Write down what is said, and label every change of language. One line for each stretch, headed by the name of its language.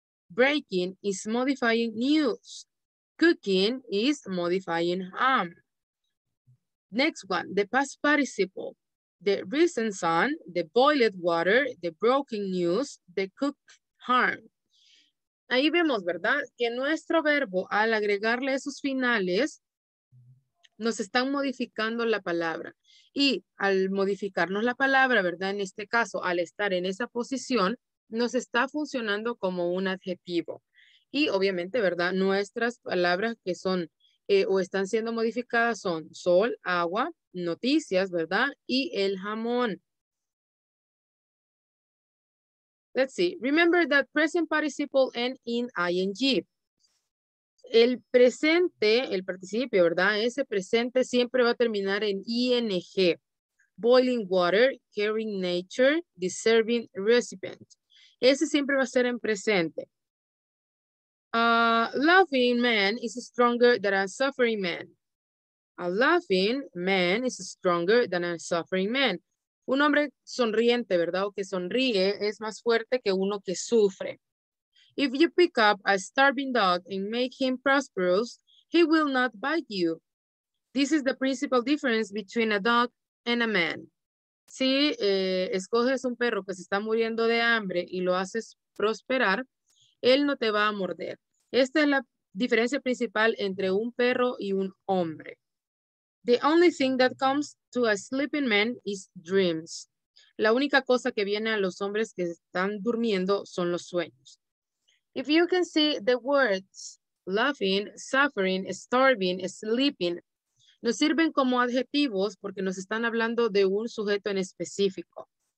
English: Breaking is modifying news. Cooking is modifying ham. Next one, the past participle. The recent sun, the boiled water, the broken news, the cooked ham.
Spanish: Ahí vemos, ¿verdad? Que nuestro verbo, al agregarle esos finales, nos están modificando la palabra. Y al modificarnos la palabra, ¿verdad? En este caso, al estar en esa posición, nos está funcionando como un adjetivo. Y obviamente, ¿verdad? Nuestras palabras que son o están siendo modificadas son sol, agua, noticias, ¿verdad? Y el jamón.
English: Let's see. Remember that present participle end in ing.
Spanish: El presente, el participio, ¿verdad? Ese presente siempre va a terminar en ing. Boiling water, caring nature, deserving recipient. Ese siempre va a ser en presente.
English: A laughing man is stronger than a suffering man. A laughing man is stronger than a suffering man.
Spanish: Un hombre sonriente, ¿verdad? O que sonríe es más fuerte que uno que sufre.
English: If you pick up a starving dog and make him prosperous, he will not bite you. This is the principal difference between a dog and a man.
Spanish: Si escoges un perro que se está muriendo de hambre y lo haces prosperar, él no te va a morder. Esta es la diferencia principal entre un perro y un hombre.
English: The only thing that comes to a sleeping man is dreams.
Spanish: La única cosa que viene a los hombres que están durmiendo son los sueños.
English: If you can see the words laughing, suffering, starving, sleeping,
Spanish: nos sirven como adjetivos porque nos están hablando de un sujeto en específico.